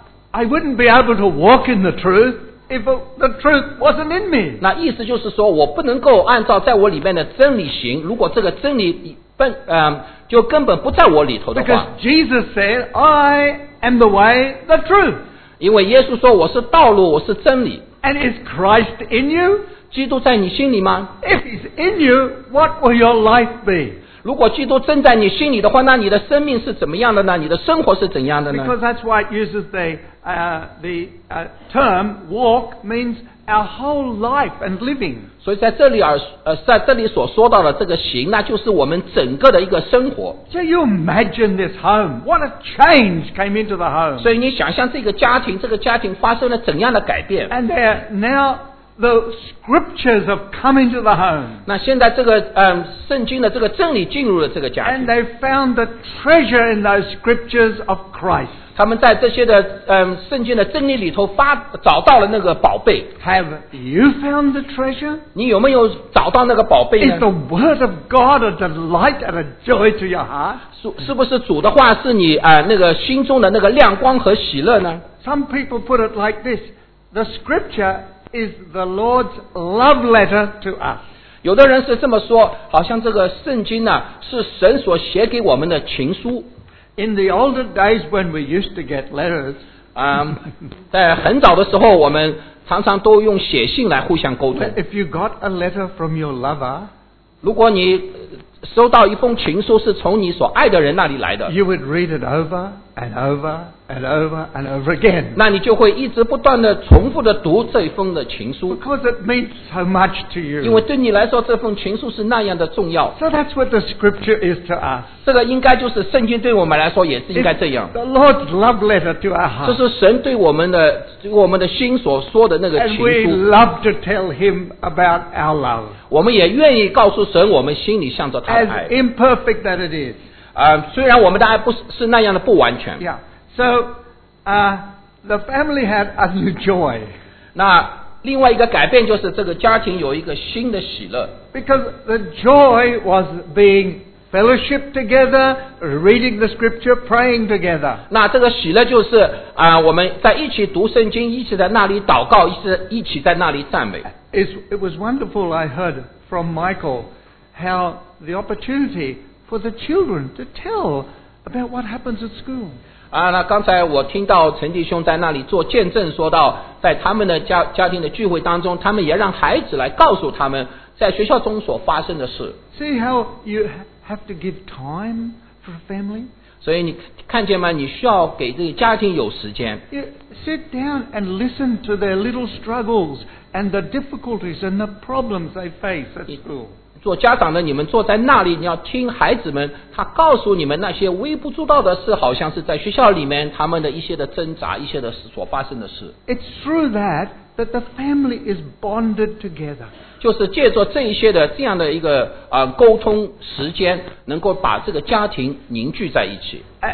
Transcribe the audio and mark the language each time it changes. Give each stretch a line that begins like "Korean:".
English: I wouldn't be able to walk in the truth. If the truth wasn't in me,
Chinese: 那意思就是说我不能够按照在我里面的真理行。如果这个真理就根本不在我里头的话。
English: Because Jesus said, "I am the way, the truth."
Chinese: 因为耶稣说我是道路，我是真理。
English: And is Christ in you?
Chinese: 基督在你心里吗
English: ？If he's in you, what will your life be?
Chinese: 如果基督真在你心里的话，那你的生命是怎么样的呢？你的生活是怎样的呢
English: ？Because that's why it uses the term walk means our whole life and living.
Chinese: 所以在这里在这里所说到的这个行，那就是我们整个的一个生活。
English: So you imagine this home. What a change came into the home.
Chinese: 所以你想象这个家庭，这个家庭发生了怎样的改变
English: ？And there now the scriptures have come into the home.
Chinese: 那现在这个圣经的这个真理进入了这个家庭。
English: And they found the treasure in those scriptures of Christ.
Chinese: 他们在这些的圣经的真理里头找到了那个宝贝。
English: Have you found the treasure?
Chinese: 你有没有找到那个宝贝呢
English: ？Is the word of God a delight and a joy to your heart?
Chinese: 是不是主的话是你那个心中的那个亮光和喜乐呢
English: ？Some people put it like this: the Scripture is the Lord's love letter to us.
Chinese: 有的人是这么说，好像这个圣经呢是神所写给我们的情书。
English: In the older days when we used to get letters,
Chinese: 在很早的时候，我们常常都用写信来互相沟通。
English: If you got a letter from your lover,
Chinese: 如果你收到一封情书是从你所爱的人那里来的
English: ，you would read it over and over and over and over again.
Chinese: 那你就会一直不断的重复的读这封的情书
English: ，because it means so much to you.
Chinese: 因为对你来说，这封情书是那样的重要。
English: So that's what the scripture is to us.
Chinese: 这个应该就是圣经对我们来说也是应该这样。
English: The Lord's love letter to our heart.
Chinese: 这是神对我们的心所说的那个情书。
English: And we love to tell Him about our love.
Chinese: 我们也愿意告诉神我们心里向着他。
English: as imperfect that it is.
Chinese: 虽然我们的爱不是那样的不完全。
English: Yeah. So, the family had a new joy.
Chinese: 那另外一个改变就是这个家庭有一个新的喜乐。
English: Because the joy was being fellowship together, reading the scripture, praying together.
Chinese: 那这个喜乐就是我们在一起读圣经，一起在那里祷告，一起在那里赞美。
English: It was wonderful. I heard from Michael how the opportunity for the children to tell about what happens at school.
Chinese: 那刚才我听到陈弟兄在那里做见证，说到在他们的家庭的聚会当中，他们也让孩子来告诉他们在学校中所发生的事。
English: See how you have to give time for a family?
Chinese: 所以你看见吗？你需要给这个家庭有时间。
English: You sit down and listen to their little struggles and the difficulties and the problems they face at school.
Chinese: 做家长的，你们坐在那里，你要听孩子们，他告诉你们那些微不足道的事，好像是在学校里面他们的一些的挣扎，一些的所发生的事。
English: It's through that the family is bonded together.
Chinese: 就是借助这一些的这样的一个沟通时间，能够把这个家庭凝聚在一起。